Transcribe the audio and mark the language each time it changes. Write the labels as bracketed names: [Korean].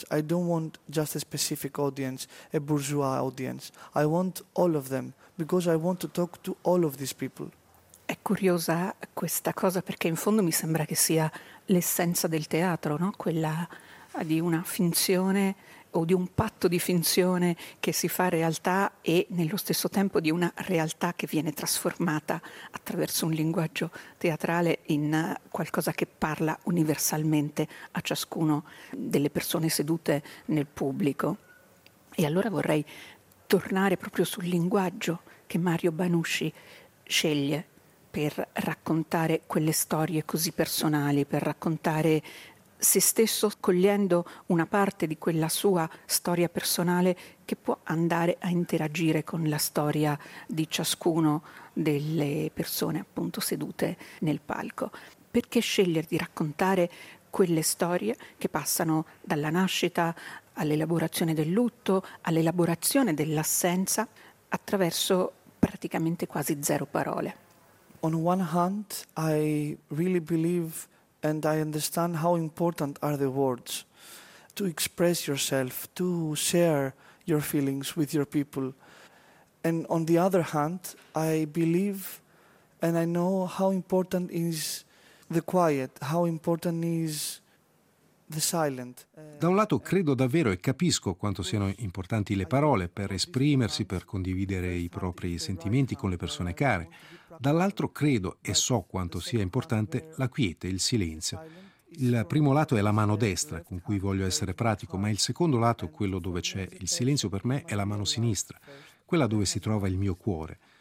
[English] I don't want just a specific audience, a bourgeois audience. I want all of them because I want to talk to all of these people. [Italian] È curiosa questa cosa perché in fondo mi sembra che sia l'essenza del teatro, no? Quella di una finzione o di un patto di finzione che si fa realtà e nello stesso tempo di una realtà che viene trasformata attraverso un linguaggio teatrale in qualcosa che parla universalmente a ciascuno delle persone sedute nel pubblico. E allora vorrei tornare proprio sul linguaggio che Mario Banucci sceglie per raccontare quelle storie così personali, per raccontare se stesso cogliendo una parte di quella sua storia personale che può andare a interagire con la storia di ciascuno delle persone appunto sedute nel palco. Perché scegliere di raccontare quelle storie che passano dalla nascita all'elaborazione del lutto, all'elaborazione dell'assenza attraverso praticamente quasi zero parole? [English] On one hand, I really believe and I understand how important are the words to express yourself, to share your feelings with your people. And on the other hand, I believe and I know how important is the quiet, how important is the silent. [Italian] Da un lato credo davvero e capisco quanto siano importanti le parole per esprimersi, per condividere i propri sentimenti con le persone care. Dall'altro credo e so quanto sia importante la quiete, il silenzio. Il primo lato è la mano destra, con cui voglio essere pratico, ma il secondo lato, quello dove c'è il silenzio per me, è la mano sinistra, quella dove si trova il mio cuore.